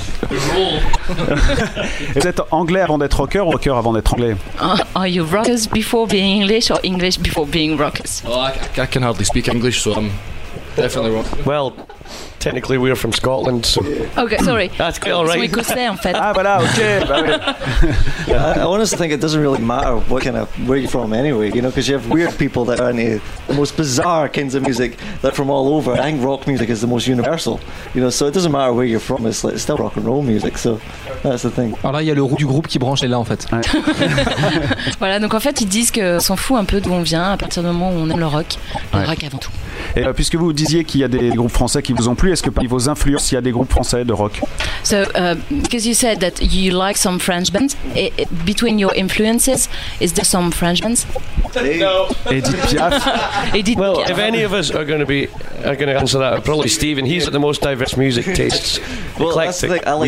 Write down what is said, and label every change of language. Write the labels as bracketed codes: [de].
[fr] Vous êtes anglais avant d'être rocker ou rocker avant d'être anglais? [en] Are you rockers before being English or English before being rockers? Well, I can hardly speak English, so I'm definitely rocker. Well, technically we are from Scotland, so... Okay, sorry. That's quite all right. So we could say, [fr] en fait. Ah, voilà, okay. [en] I honestly think it doesn't really matter what kind of, where you're from anyway, you know, because you have weird people that are into the most bizarre kinds of music that are from all over. I think rock music is the most universal, you know, so it doesn't matter where you're from, it's, like, it's still rock and roll music, so that's the thing. [fr] Alors là, il y a le roux du groupe qui branche les là, en fait. Voilà, donc en fait, ils disent qu'on s'en fout un peu d'où on vient à partir du moment où on aime le rock, le rock avant tout. Et puisque vous disiez qu'il y a des groupes français qui vous ont plu, est-ce que vos influences, il y a des groupes français de rock? [en] So, because you said that you like some French bands, it, between your influences, is there some French bands? Edith Piaf. Edith well, Piaf. If any of us are going to answer that, probably Steven. He's got the most diverse music tastes. Well, eclectic, that's the thing. I like